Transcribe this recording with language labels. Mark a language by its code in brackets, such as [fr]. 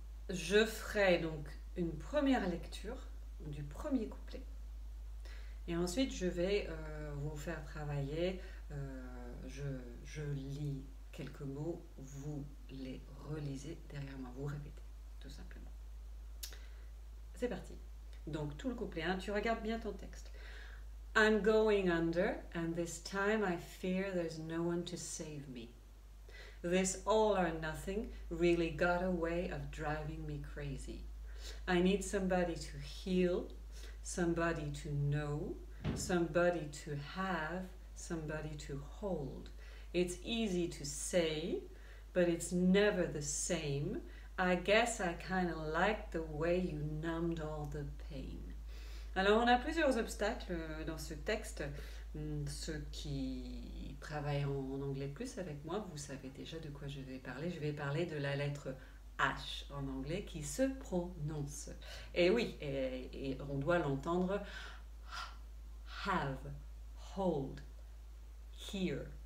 [fr] Je ferai donc une première lecture du premier couplet et ensuite je vais vous faire travailler, je lis quelques mots, vous les relisez derrière moi, vous répétez tout simplement. C'est parti. Donc, tout le couplet, hein, tu regardes bien ton texte. [en] I'm going under, and this time I fear there's no one to save me. This all or nothing really got a way of driving me crazy. I need somebody to heal, somebody to know, somebody to have, somebody to hold. It's easy to say, but it's never the same. I guess I kind of like the way you numbed all the pain. [fr] Alors, on a plusieurs obstacles dans ce texte. Ceux qui travaillent en anglais plus avec moi, vous savez déjà de quoi je vais parler. Je vais parler de la lettre H en anglais qui se prononce. Et oui, et on doit l'entendre. Have, hold, hear.